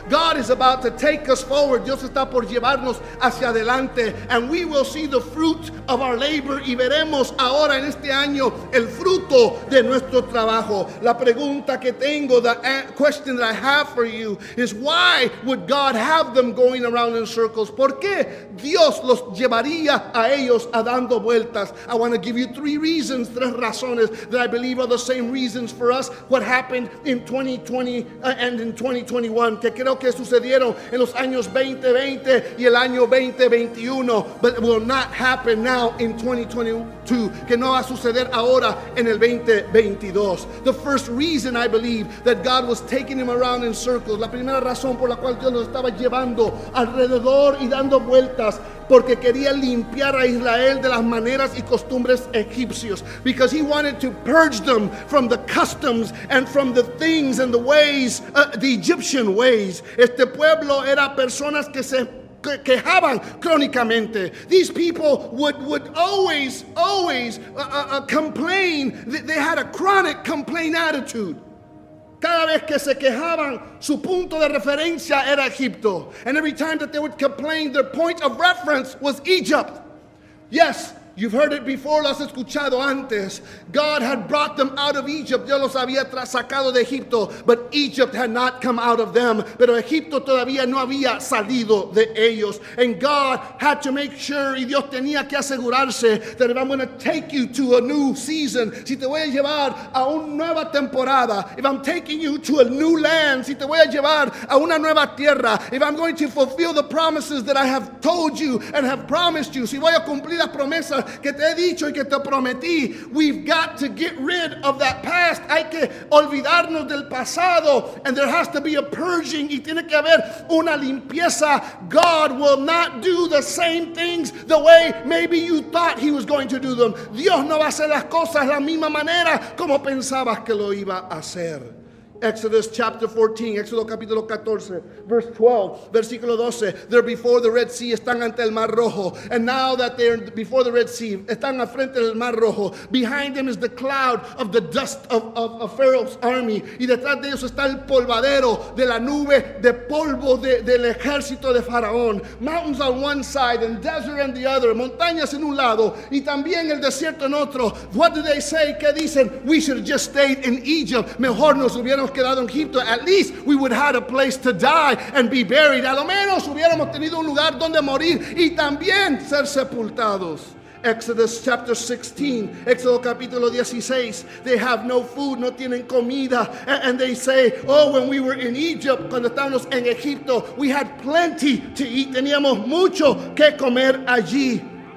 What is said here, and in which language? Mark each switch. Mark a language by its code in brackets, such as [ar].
[en] God is about to take us forward. [es] Dios está por llevarnos hacia adelante, [en] and we will see the fruit of our labor, [es] y veremos ahora en este año el fruto de nuestro trabajo. La pregunta que tengo, [en] the question that I have for you is, why would God have them going around in circles? [es] ¿Por qué Dios los llevaría a ellos a dando vueltas? [en] I want to give you three reasons, [es] tres razones [en] that I believe are the same reasons for us, what happened in 2020 and in 2021, [es] que creo que sucedieron en los años 2020 y el año 2021, [en] but it will not happen now in 2022, [es] que no va a suceder ahora en el 2022. [en] The first reason I believe that God was taking him around in circles, [es] la primera razón por la cual Dios lo estaba llevando alrededor y dando vueltas, porque quería limpiar a Israel de las maneras y costumbres egipcios. [en] Because he wanted to purge them from the customs and from the things and the ways, the Egyptian ways. [es] Este pueblo era personas que se quejaban crónicamente. [en] These people would always complain. They had a chronic complaint attitude. [es] Cada vez que se quejaban, su punto de referencia era Egipto. [en] And every time that they would complain, their point of reference was Egypt. Yes, you've heard it before, [es] lo has escuchado antes. [en] God had brought them out of Egypt. [es] Dios los había sacado de Egipto. [en] But Egypt had not come out of them. [es] Pero Egipto todavía no había salido de ellos. [en] And God had to make sure, [es] y Dios tenía que asegurarse, [en] that if I'm going to take you to a new season, [es] si te voy a llevar a una nueva temporada, [en] if I'm taking you to a new land, [es] si te voy a llevar a una nueva tierra, [en] if I'm going to fulfill the promises that I have told you and have promised you, [es] si voy a cumplir las promesas que te he dicho y que te prometí, [en] we've got to get rid of that past. [es] Hay que olvidarnos del pasado, [en] and there has to be a purging, [es] y tiene que haber una limpieza. [en] God will not do the same things the way maybe you thought he was going to do them. [es] Dios no va a hacer las cosas la misma manera como pensabas que lo iba a hacer. [en] Exodus chapter 14, Exodus [es] capítulo 14, [en] verse 12, [es] versículo 12. [en] They're before the Red Sea, [es] están ante el Mar Rojo. [en] And now that they're before the Red Sea, [es] están al frente del Mar Rojo. [en] Behind them is the cloud of the dust of Pharaoh's army. [es] Y detrás de ellos está el polvadero de la nube de polvo del ejército de Faraón. [en] Mountains on one side and desert on the other. [es] Montañas en un lado y también el desierto en otro. [en] What do they say? [es] ¿Qué dicen? [en] We should just stay in Egypt. [es] Mejor nos hubieran quedado en Egipto. [en] At least we would have a place to die and be buried. [es] A lo menos hubiéramos tenido un lugar donde morir y también ser sepultados. [en] Exodus chapter 16, [es] Exodo capítulo 16. [en] They have no food, [es] no tienen comida, [en] and they say, oh, when we were in Egypt, [es] cuando estábamos en Egipto, [en] we had plenty to eat, [es] teníamos mucho que comer allí.